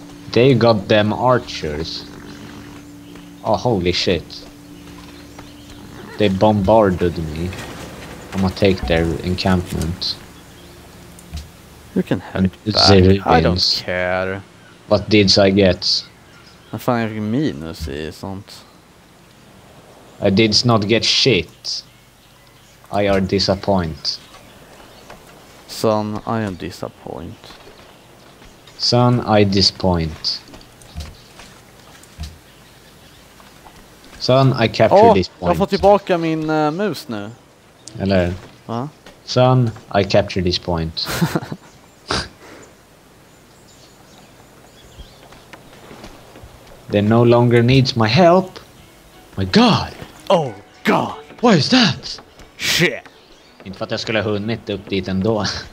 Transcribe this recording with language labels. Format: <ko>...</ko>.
<en>They got them archers. Oh, holy shit. They bombarded me. I'm gonna take their encampment. You can have it back. I don't care. What did I get?</en> <sv>Vad fan, jag fick minus i sånt.</sv> <en>I did not get shit. I are disappointed. Son, I am disappointed. Son, I disappoint. Son, I capture this point.</en> <sv>Jag får tillbaka min mus nu. Eller? Va?</sv> <en>Son, I capture this point. They no longer needs my help. My god! Oh god! What is that? Shit!</en> <sv>Inte för att jag skulle ha hunnit upp dit ändå.</sv>